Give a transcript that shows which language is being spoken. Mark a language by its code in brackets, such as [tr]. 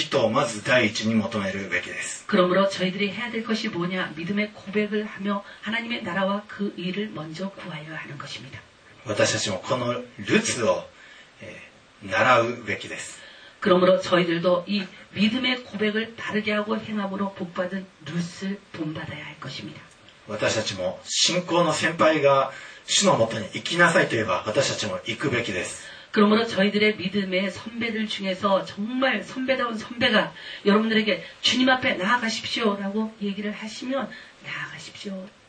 [ko] 그러므로 [ja] 私たちは神の国とその義とをまず第一に求めるべきです. [ko] 그러므로 저희들이 해야 될 것이 뭐냐? 믿음의 고백을 하며 하나님의 나라와 그 일을 먼저 구하여야 하는 것입니다. [ja] 私たちもこのルツを習うべきです. [ko] 그러므로 저희들도 이 믿음의 고백을 바르게 하고 행함으로 복받은 루스를 본받아야 할 것입니다. [ja] 私たちも信仰の先輩が主のもとに行きなさいと言えば私たちも行くべきです. [ko] 그러므로 저희들의 믿음의 선배들 중에서 정말 선배다운 선배가 여러분들에게 주님 앞에 나아가십시오라고 얘기를 하시면 나아가십시오.